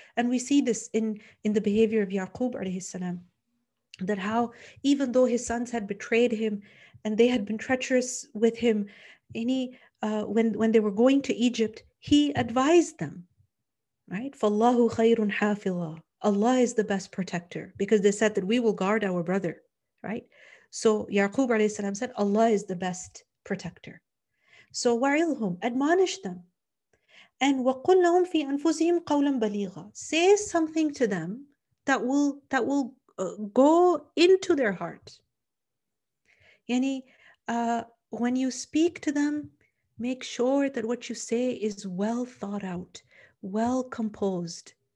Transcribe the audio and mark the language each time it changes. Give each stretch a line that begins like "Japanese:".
English: And we see this in the behavior of Yaqub alayhi salam, that how even though his sons had betrayed him and they had been treacherous with him, when they were going to Egypt, he advised them, right?
Arabic: فَاللَّهُ خَيْرٌ حَافِظًا.
English: Allah is the best protector, because they said that we will guard our brother, right? So Yaqub alayhi salam said, Allah is the best protector. So وَعِلْهُمْ, admonish them. And
Arabic: وَقُلْ لَهُمْ فِي أَنفُسِهِمْ قَوْلًا بَلِيغًا.
English: Say something to them that will go into their heart. Yani, when you speak to them, make sure that what you say is well thought out, well composed.